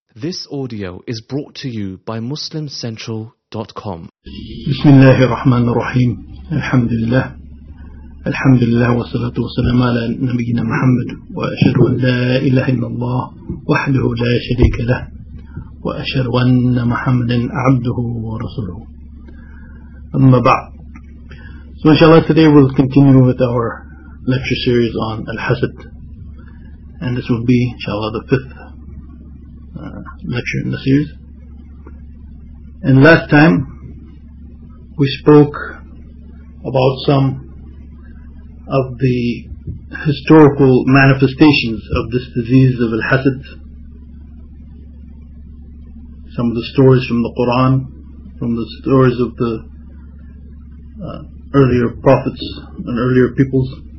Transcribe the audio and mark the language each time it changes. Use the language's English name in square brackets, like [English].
[English] This audio is brought to you by MuslimCentral.com. [Arabic] بسم الله الرحمن الرحيم. الحمد لله. الحمد لله والصلاة والسلام على نبينا محمد، وأشهد أن لا إله إلا الله وحده لا شريك له، وأشهد أن محمدا عبده ورسوله. أما بعد. [English] So inshallah, today we'll continue with our lecture series on Al-Hasad. And this will be inshallah the fifth lecture in the series. And last time we spoke about some of the historical manifestations of this disease of Al-Hasad, some of the stories from the Quran, from the stories of the earlier prophets and earlier peoples.